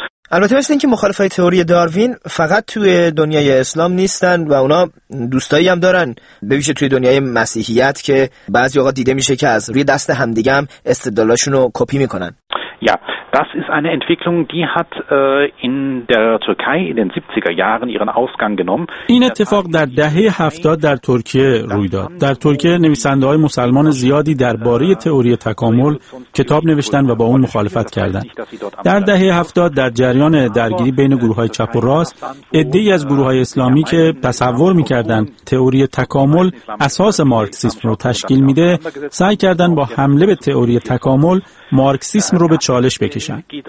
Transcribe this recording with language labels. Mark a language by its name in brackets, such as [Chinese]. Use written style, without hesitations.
[Persian] البته مثل این که مخالف های تئوری داروین فقط توی دنیای اسلام نیستن و اونا دوستایی هم دارن، به ویژه توی دنیای مسیحیت که بعضی اوقات دیده میشه که از روی دست همدیگه هم استدلالاشون رو کپی میکنن. [German] Ja, das ist eine Entwicklung, die hat in der Türkei in den 70er Jahren ihren Ausgang genommen. [Persian] این اتفاق در دهه 70 در ترکیه روی داد. در ترکیه نویسنده‌های مسلمان زیادی درباره تئوری تکامل کتاب نوشتن و با اون مخالفت کردند. در دهه 70 در جریان درگیری بین گروه‌های چپ و راست، عده‌ای از گروه‌های اسلامی که تصور می‌کردند تئوری تکامل اساس مارکسیسم رو تشکیل میده، سعی کردند با حمله به تئوری تکامل مارکسیسم رو به چالش بکشن.